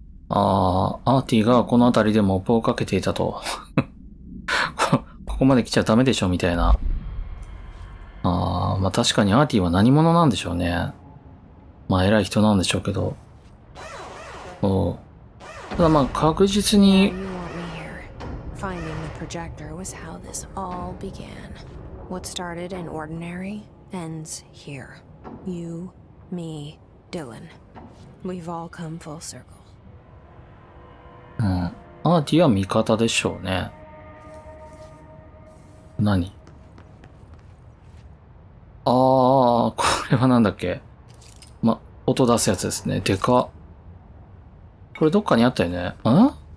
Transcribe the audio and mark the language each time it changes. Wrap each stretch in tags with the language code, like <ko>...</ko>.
<ja>ああ、アーティーがこの辺りでモップをかけていたと。ここまで来ちゃダメでしょ、みたいな。ああ、まあ、確かにアーティーは何者なんでしょうね。まあ、偉い人なんでしょうけど。おう。ただま、確実に。</ja> <en>Finding the projector was how this all began. What started in ordinary ends here. You, me, Dylan. We've all come full circle. うん。</en> <ja>アーティーは味方でしょうね。何？ああ、これはなんだっけ。ま、音出すやつですね。でか。これどっかにあったよね。ん？</ja>